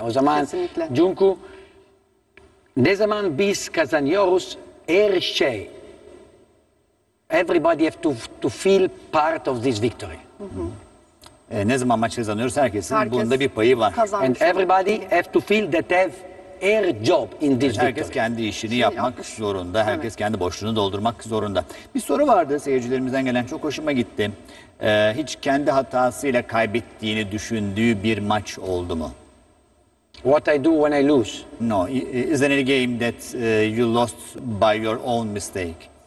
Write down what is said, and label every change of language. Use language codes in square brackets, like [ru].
[tr] O zaman çünkü ne zaman biz kazanıyoruz her şey. [en] Everybody have to feel part of this victory. [tr] Ne zaman maç kazanıyoruz herkesin bunda bir payı var. Kazanmış. [en] And everybody have to feel that have air job in this victory. [tr] Herkes kendi işini yapmak zorunda. Herkes kendi boşluğunu doldurmak zorunda. Bir soru vardı seyircilerimizden gelen. Çok hoşuma gitti. Hiç kendi hatasıyla kaybettiğini düşündüğü bir maç oldu mu? [en] What I do when I lose? No. Is there any game that you lost by your own mistake?